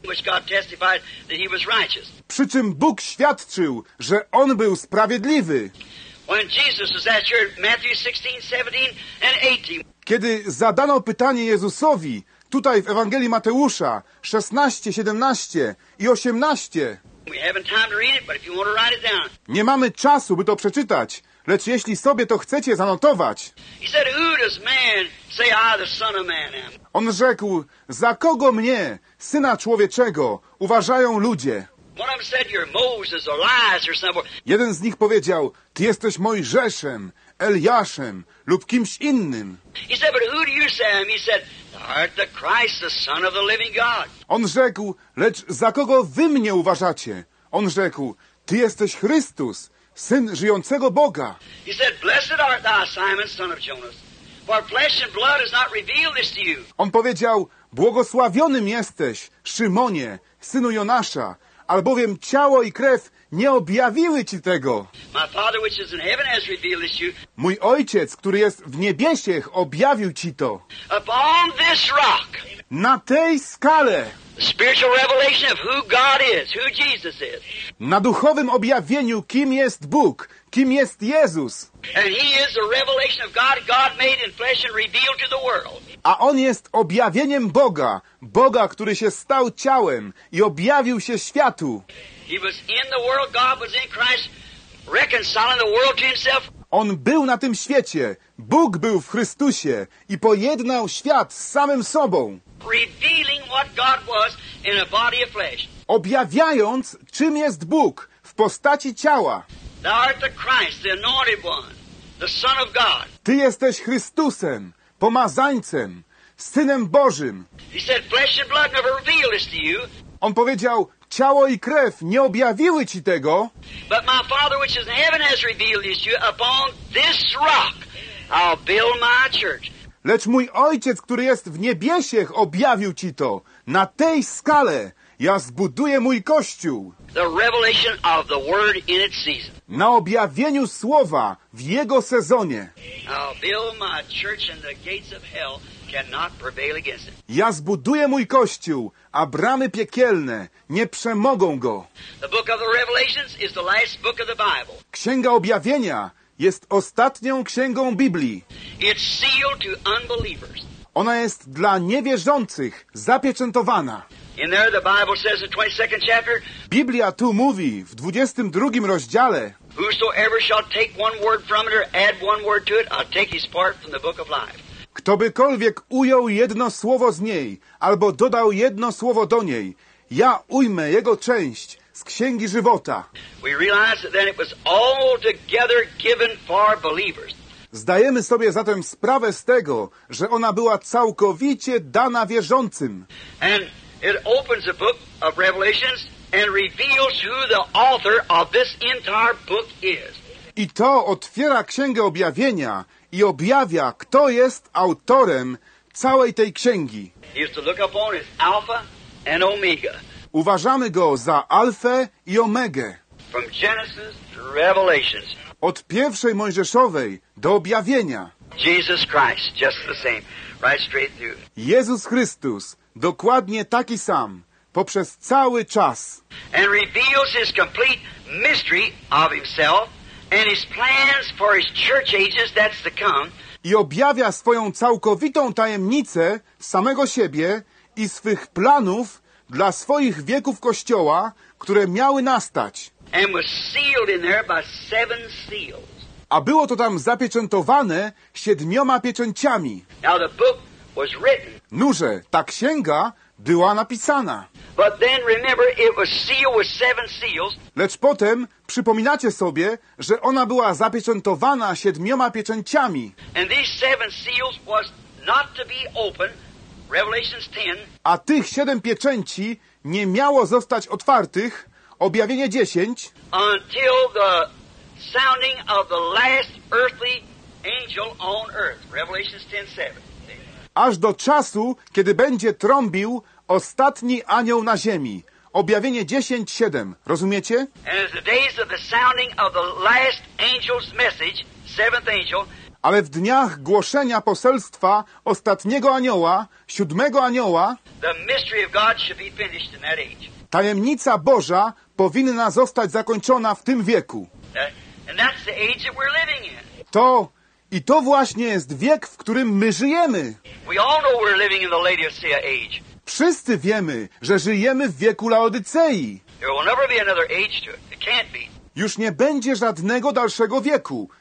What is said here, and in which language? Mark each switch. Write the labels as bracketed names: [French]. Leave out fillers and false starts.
[English] Which God testified that he was righteous. [Polish] Przy czym Bóg świadczył, że on był sprawiedliwy. [English] When Jesus was asked here, Matthew 16, 17 and 18. [Polish] Kiedy zadano pytanie Jezusowi tutaj w Ewangelii Mateusza 16, 17 i 18. [English] We haven't time to read it, but if you want to write it down. [Polish] Nie mamy czasu, by to przeczytać, lecz jeśli sobie to chcecie zanotować. [English] He said, who does man say I, the son of man, am? [Polish] On rzekł, za kogo mnie, syna człowieczego, uważają ludzie? [English] One of them said, you're Moses, Elias, or somewhere. [Polish] Jeden z nich powiedział, ty jesteś Mojżeszem, Eliaszem lub kimś innym. [English] He said, but who do you say I'm? He said, art the Christ, the Son of the living God. [Polish] On rzekł, lecz za kogo wy mnie uważacie? On rzekł, ty jesteś Chrystus, Syn żyjącego Boga. [English] He said, blessed art thou, Simon, son of Jonas, for flesh and blood has not revealed this to you. [Polish] On powiedział, błogosławionym jesteś, Szymonie, synu Jonasza, albowiem ciało i krew nie objawiły ci tego. [English] My Father, which is in heaven, has revealed this to you. [Polish] Mój Ojciec, który jest w niebiesiech, objawił ci to. [English] Upon this rock, [Polish] na tej skale, [English] spiritual revelation of who God is, who Jesus is. [Polish] Na duchowym objawieniu, kim jest Bóg, kim jest Jezus. [English] And he is the revelation of God, God made in flesh and revealed to the world. [Polish] A on jest objawieniem Boga, Boga, który się stał ciałem i objawił się światu. [English] He was in the world, God was in Christ, reconciling the world to himself. [Polish] On był na tym świecie, Bóg był w Chrystusie i pojednał świat z samym sobą. [English] Revealing what God was in a body of flesh. [Polish] Objawiając, czym jest Bóg w postaci ciała. [English] Thou art the Christ, the anointed one, the Son of God. [Polish] Ty jesteś Chrystusem, pomazańcem, Synem Bożym. [English] He said, flesh and blood never revealed this to you. [Polish] On powiedział, ciało i krew nie objawiły ci tego. [English] But my Father which is in heaven has revealed this to you. Upon this rock I'll build my church. [Polish] Lecz mój Ojciec, który jest w niebiesiech, objawił ci to. Na tej skale ja zbuduję mój Kościół. [English] The revelation of the word in its season. [Polish] Na objawieniu Słowa w Jego sezonie. [English] I'll build my church and the gates of hell cannot prevail against it. [Polish] Ja zbuduję mój Kościół, a bramy piekielne nie przemogą go. [English] The book of the revelations is the last book of the Bible. [Polish] Księga Objawienia jest ostatnią księgą Biblii. [English] It's sealed to unbelievers. [Polish] Ona jest dla niewierzących zapieczętowana. [English] In there the Bible says in 22nd chapter, [Polish] Biblia tu mówi w 22 rozdziale, [English] whosoever shall take one word from it or add one word to it, I'll take his part from the book of life. [Polish] Ktobykolwiek ujął jedno słowo z niej albo dodał jedno słowo do niej, ja ujmę jego część z Księgi Żywota. [English] We realize that then it was altogether given for believers. [Polish] Zdajemy sobie zatem sprawę z tego, że ona była całkowicie dana wierzącym. [English] And it opens the book of Revelations and reveals who the author of this entire book is. [Polish] I to otwiera Księgę Objawienia i objawia, kto jest autorem całej tej księgi. [English] Alpha and Omega. [Polish] Uważamy go za Alfę i Omegę. [English] From Genesis to Revelations. [Polish] Od pierwszej Mojżeszowej do Objawienia. [English] Jesus Christ, just the same, right straight through. [Polish] Jezus Chrystus, dokładnie taki sam, poprzez cały czas. [English] And reveals his complete mystery of himself and his plans for his church ages that's to come. [Polish] I objawia swoją całkowitą tajemnicę samego siebie i swych planów dla swoich wieków Kościoła, które miały nastać. [English] And was sealed in there by seven seals. [Polish] A było to tam zapieczętowane siedmioma pieczęciami. [English] Now the book was written. [Polish] Noże, ta księga była napisana. [English] But then remember, it was sealed with seven seals. [Polish] Lecz potem przypominacie sobie, że ona była zapieczętowana siedmioma pieczęciami. [English] And these seven seals was not to be opened. Revelations 10. [Polish] A tych siedem pieczęci nie miało zostać otwartych, Objawienie 10, [English] until the sounding of the last earthly angel on earth, Revelations 10:7. [Polish] Aż do czasu, kiedy będzie trąbił ostatni anioł na ziemi. Objawienie 10:7. Rozumiecie? [English] And as the days of the sounding of the last angel's message, seventh angel. [Polish] Ale w dniach głoszenia poselstwa ostatniego anioła, siódmego anioła, [English] the mystery of God should be finished in that age. [Polish] Tajemnica Boża powinna zostać zakończona w tym wieku. [English] And that's the age that we're living in. [Polish] To i to właśnie jest wiek, w którym my żyjemy. [English] We all know we're living in the Laodicea age. [Polish] Wszyscy wiemy, że żyjemy w wieku Laodycei. [English] There will never be another age to it. It can't be. [Polish] Już nie będzie żadnego dalszego wieku.